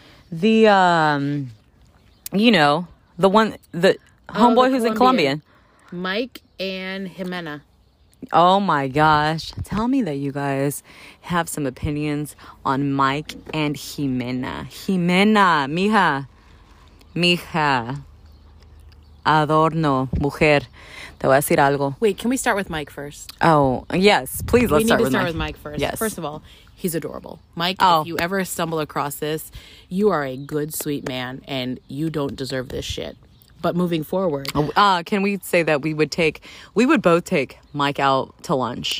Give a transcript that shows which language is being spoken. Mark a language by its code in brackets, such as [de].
[en] The, you know, the one, the homeboy the who's Colombian. Mike and Jimena. Oh, my gosh. Tell me that you guys have some opinions on Mike and Jimena. [es] Jimena, mija. Mija, adorno, mujer, te voy a decir algo. [en] Wait, can we start with Mike first? Oh, yes, please, let's start with Mike. We need to start with Mike first. Yes. First of all, he's adorable. Mike, if you ever stumble across this, you are a good, sweet man, and you don't deserve this shit. But moving forward. Can we say that we would both take Mike out to lunch?